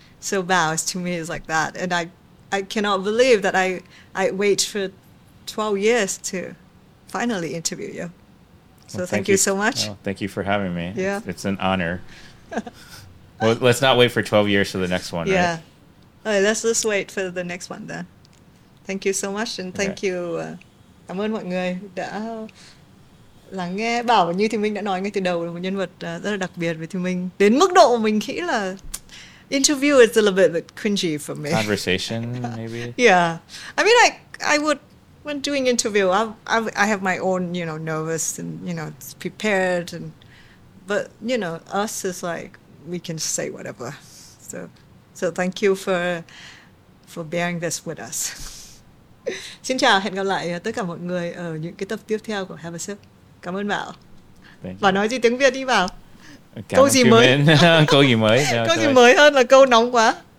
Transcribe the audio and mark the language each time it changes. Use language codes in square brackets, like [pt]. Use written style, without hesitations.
[en] So Bao's to me is like that. And I cannot believe that I wait for 12 years to... finally interview you. So thank you so much. Well, thank you for having me. Yeah. It's an honor. Well, let's not wait for 12 years for the next one, yeah, right? Yeah. Right, let's wait for the next one then. Thank you so much. And thank you. [vi] Cảm ơn mọi người đã lắng nghe. Bảo như Thùy Minh đã nói ngay từ đầu là một nhân vật rất là đặc biệt với Thùy Minh. Đến mức độ mình nghĩ là [en] interview is a little bit cringy for me. Conversation, maybe? Yeah. I mean, I would... When doing interview, I have my own, you know, nervous and, you know, it's prepared. But, you know, us is like, we can say whatever. So thank you for bearing this with us. [vi] Xin chào, hẹn gặp lại tất cả mọi người ở những cái tập tiếp theo của Have a Sip. Cảm ơn Bảo. Bảo nói gì tiếng Việt đi, Bảo. Câu gì mới? Câu gì mới? Câu gì mới hơn là câu nóng quá?